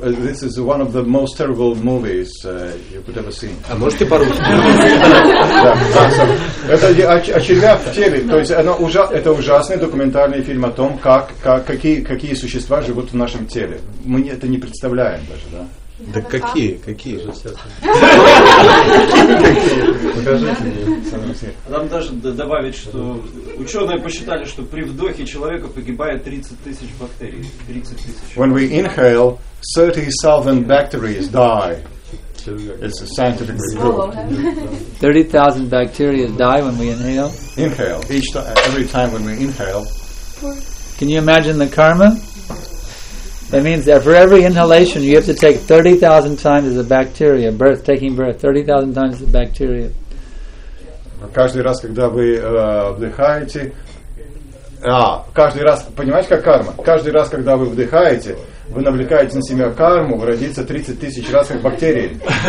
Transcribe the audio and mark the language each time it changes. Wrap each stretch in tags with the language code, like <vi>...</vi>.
<en>This is one of the most terrible movies you could ever see.</en> <ru>А можете по-русски? Это о червях в теле. То есть это ужасный документальный фильм о том, какие существа живут в нашем теле. Мы это не представляем даже, да? Да какие же существа? Покажите мне. Нам даже добавить, что ученые посчитали, что при вдохе человека погибает 30 тысяч бактерий. 30 тысяч.</ru> <en>When we inhale, 30,000 bacteria die. It's a scientific proof. 30,000 bacteria die when we inhale. Inhale every time when we inhale. Can you imagine the karma? That means that for every inhalation, you have to take 30,000 times as a bacteria, taking birth 30,000 times as a bacteria.</en> <ru>Каждый раз, когда вы вдыхаете... каждый раз... Понимаете, как карма? Каждый раз, когда вы вдыхаете, вы навлекаете на себя карму, вы родится 30 тысяч раз как бактерии.</ru>